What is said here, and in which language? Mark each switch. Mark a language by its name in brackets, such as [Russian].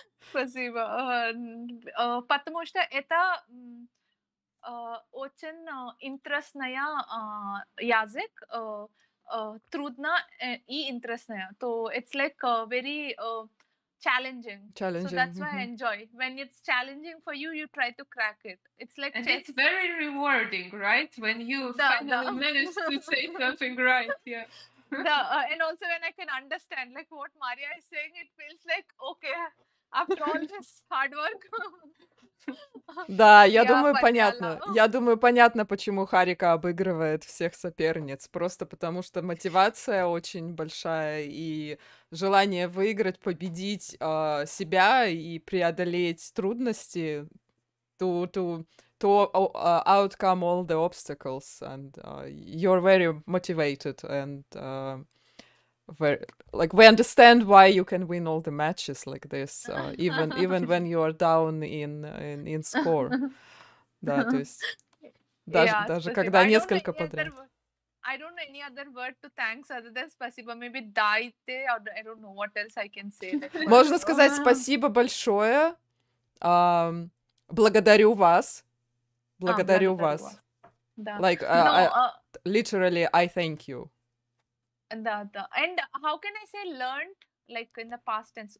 [Russian] Спасибо. Потому что это очень интересный язык, трудно и интересный. [English] То it's like very challenging. So that's why I enjoy. When it's challenging for you, you try to crack it. It's like and it's very rewarding, right? When you manage to say something right, and also when I can understand like what Maria is saying, it feels like okay, after all this hard work. [Russian] Да, я думаю, понятно. Я думаю, понятно, почему Харика обыгрывает всех соперниц. Просто потому, что мотивация очень большая и желание выиграть, победить себя и преодолеть трудности. [English] To outcome all the obstacles. And you're very motivated. And like, we understand why you can win all the matches like this, even when you are down in score. [Russian] Да, то есть даже когда несколько подряд. [English] I don't know any other word to thanks other than спасибо, maybe дайте, or I don't know what else I can say. [Russian] Можно сказать спасибо большое, благодарю вас, благодарю вас. Да. [English] Like, literally, I thank you. [Russian] Да. [English] And how can I say learned, like in the past tense?